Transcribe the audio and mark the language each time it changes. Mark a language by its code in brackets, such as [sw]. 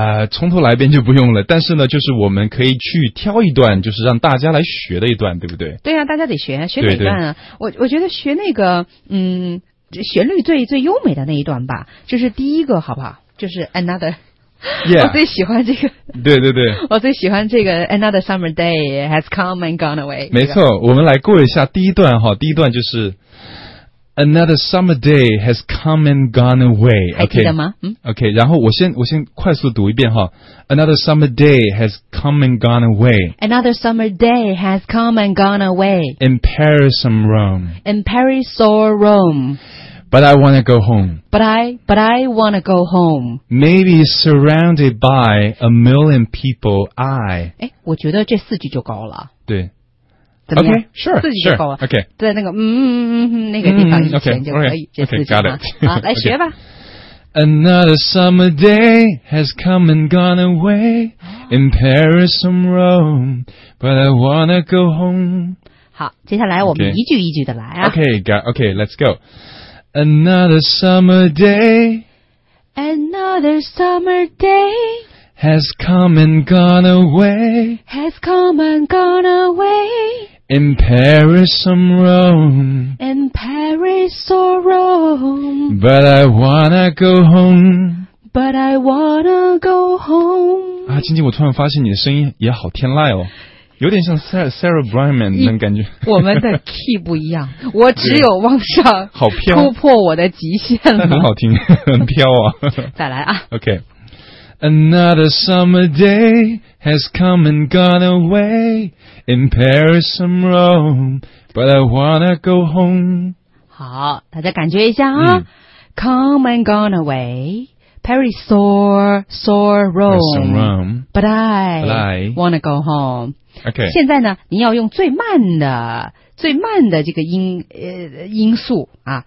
[zh] 从头来一遍就不用了，但是呢，就是我们可以去挑一段，就是让大家来学的一段，对不对？对啊，大家得学，学哪一段啊？对对，我觉得学那个，嗯，旋律最优美的那一段吧，就是第一个，好不好？ [en] 就是 Another。 Yeah, [zh] 我最喜欢这个，对对对，我最喜欢这个 [en] Another summer day has come and gone away。 [zh] 没错，我们来过一下第一段哈，第一段就是 [en] Another summer day has come and gone away。 [zh] 还记得吗？ [en] OK， [zh] 然后我先快速读一遍哈 [en] ，Another summer day has come and gone away。 Another summer day has come and gone away。 In Paris or Rome。 In Paris or Rome。 But I want to go home. But I want to go home. Maybe surrounded by a million people, I. [zh] 诶，我觉得这四句就够了。对。怎么样？ [en] Okay, sure, [zh] 四句就够了。 [en] Sure, OK. [zh] 在那个那个地方以前就可以。 [en] Okay, Okay, [zh] 好，来学吧。 [en] Okay. Another summer day has come and gone away in Paris and Rome. But I want to go home. [zh] 好，接下来我们一句一句的来啊。 [en] Okay, let's go. Another summer day, another summer day has come and gone away, has come and gone away. In Paris or Rome, in Paris or Rome. But I wanna go home, but I wanna go home. [zh] 啊，晶晶，我突然发现你的声音也好天籁哦。有点像 Sarah Brightman 那感觉。我们的 key 不一样，我只有往上好飘突破我的极限了。很好听，很飘啊！再来啊 [en] ！OK， Another summer day has come and gone away in Paris and Rome, but I wanna go home。 [zh] 好，大家感觉一下啊、嗯、， [en] Come and gone away。 Paris sore Rome, but I wanna go home. Okay. [zh] 现在呢，您要用最慢的、最慢的这个音速啊，